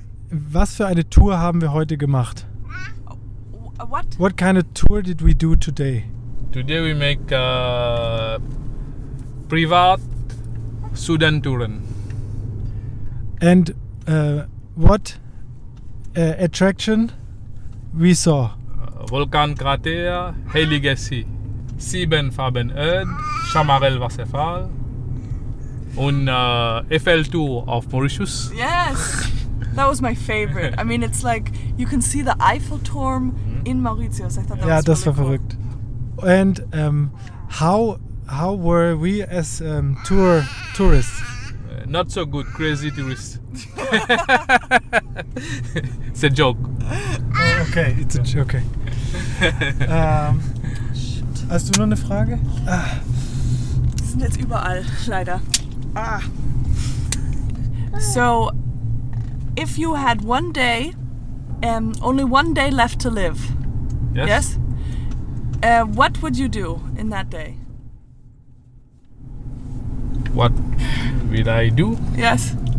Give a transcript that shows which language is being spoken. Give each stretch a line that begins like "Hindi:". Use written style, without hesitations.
German: Was für eine Tour haben wir heute gemacht?
English: What? What kind of tour did we do today? Today we make a privat Sudan Touren. And what attraction we saw?
German: Volcan Krater, Heilige See, Sieben Farben Erd, Chamarel Wasserfall und Eiffel Tour auf Mauritius.
English: Yes! That was my favorite. I mean, it's like you can see the Eiffel Turm in Mauritius. I thought that was really cool.
German: War verrückt.
English: And how were we as tourists? Not so good, crazy tourists. It's a joke. Okay, it's a joke. Okay.
German: Hast du noch eine Frage? Die sind jetzt überall, leider.
English: If you had one day, only one day left to live, yes? What would you do in that day? What would I do? Yes.